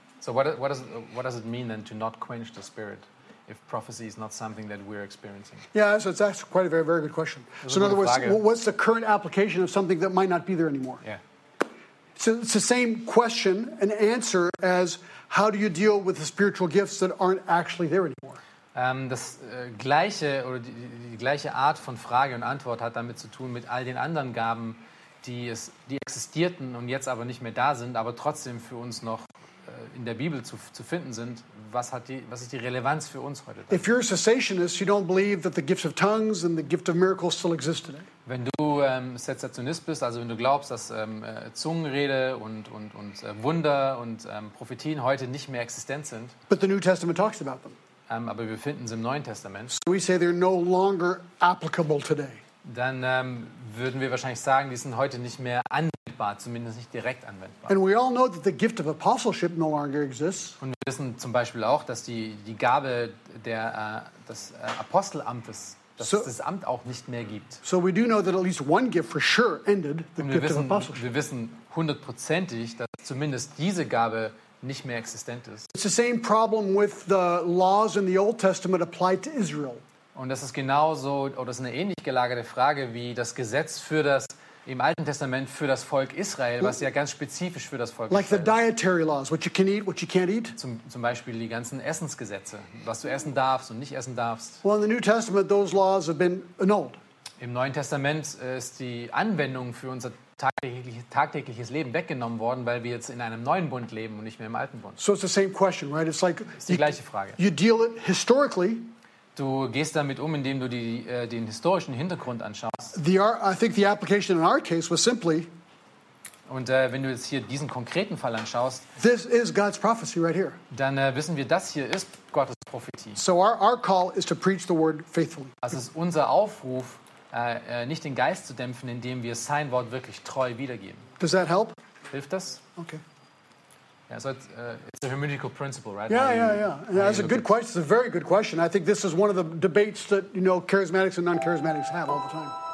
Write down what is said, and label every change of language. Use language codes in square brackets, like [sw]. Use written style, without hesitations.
[en] So what does it mean then to not quench the spirit if prophecy is not something that we're experiencing? Yeah, so it's actually quite a very, very good question. So in other words, what's the current application of something that might not be there anymore? Yeah. So it's the same question and answer as how do you deal with the spiritual gifts that aren't actually there anymore? [de] Die gleiche Art von Frage und Antwort hat damit zu tun mit all den anderen Gaben, die existierten und jetzt aber nicht mehr da sind, aber trotzdem für uns noch in der Bibel zu finden sind. Was ist die Relevanz für uns heute? [en] If you're a cessationist, you don't believe that the gift of tongues and the gift of miracles still exist today. [de] Wenn du Sezessionist bist, also wenn du glaubst, dass Zungenrede und Wunder und Prophetien heute nicht mehr existent sind. [en] But the New Testament talks about them. [de] Aber wir finden sie im Neuen Testament. [en] So we say they're no longer applicable today. [de] dann würden wir wahrscheinlich sagen, die sind heute nicht mehr anwendbar, zumindest nicht direkt anwendbar. [en] And we all know that the gift of apostleship no longer exists. [de] Und wir wissen zum Beispiel auch, dass die Gabe der des Apostelamtes, dass so, es das Amt auch nicht mehr gibt. [en] So we do know that at least one gift for sure ended, the gift [de] wissen, [en] of apostleship. [de] Wir wissen hundertprozentig, dass zumindest diese Gabe nicht mehr existent ist. [en] It's the same problem with the laws in the Old Testament applied to Israel. [de] Und das ist genauso, oder das ist eine ähnlich gelagerte Frage, wie das Gesetz für das, im Alten Testament für das Volk Israel, was ja ganz spezifisch für das Volk [en] like Like the dietary laws, what you can eat, what you can't eat. [de] Zum Beispiel die ganzen Essensgesetze, was du essen darfst und nicht essen darfst. [en] Well, in the New Testament, those laws have been annulled. [de] Im Neuen Testament ist die Anwendung für unser tagtägliches Leben weggenommen worden, weil wir jetzt in einem neuen Bund leben und nicht mehr im alten Bund. [en] So it's the same question, right? It's like [de] ist die gleiche Frage. [en] You deal it historically. [de] Du gehst damit um, indem du den historischen Hintergrund anschaust. [en] I think the application in our case was simply. [de] Und wenn du jetzt hier diesen konkreten Fall anschaust, [en] this is God's prophecy right here. [de] Dann wissen wir, das hier ist Gottes Prophetie. [en] So our call is to preach the word faithfully. [de] Das ist unser Aufruf, nicht den Geist zu dämpfen, indem wir sein Wort wirklich treu wiedergeben. [en] Does that help? [de] Hilft das? [en] Okay. Yeah, so it's a hermeneutical principle, right? Yeah. That's a good question. It's a very good question. I think this is one of the debates that, you know, charismatics and non-charismatics have all the time.